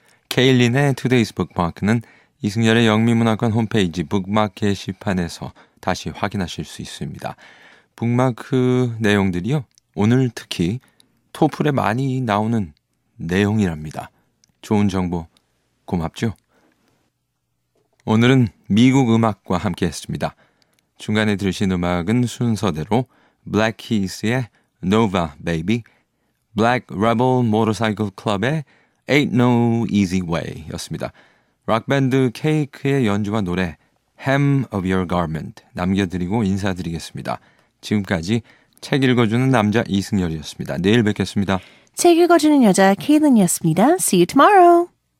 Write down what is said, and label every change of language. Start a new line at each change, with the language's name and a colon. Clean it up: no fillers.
Korean: 케일린의 Today's Bookmark는 이승열의 영미문학관 홈페이지 북마크 게시판에서 다시 확인하실 수 있습니다. 북마크 내용들이요. 오늘 특히 토플에 많이 나오는 내용이랍니다. 좋은 정보 고맙죠. 오늘은 미국 음악과 함께했습니다. 중간에 들으신 음악은 순서대로 Black Keys의 Nova Baby, Black Rebel Motorcycle Club의 Ain't No Easy Way였습니다. 록밴드 케이크의 연주와 노래 Hem of Your Garment 남겨드리고 인사드리겠습니다. 지금까지 책 읽어주는 남자 이승열이었습니다. 내일 뵙겠습니다. 책 읽어주는 여자 케이든이었습니다.
English: See you tomorrow.